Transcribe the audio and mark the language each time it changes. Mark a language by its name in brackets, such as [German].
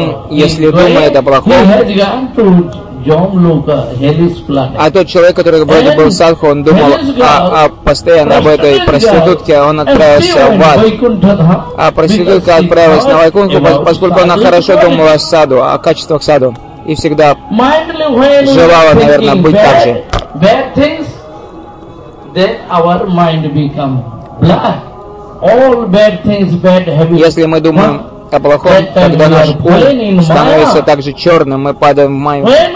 [Russian] Если думает о плохом, а тот человек, который вроде был садху, он думал постоянно об этой проститутке, он отправился в ад. А проститутка отправилась на Вайкунту, поскольку она хорошо думала о саду, о качествах саду. И всегда желала, наверное, быть так же. [English] Bad things, then our mind become black. All bad things, bad habits. [Russian] Если мы думаем о плохом, тогда наш ум становится также черным, мы падаем в маю.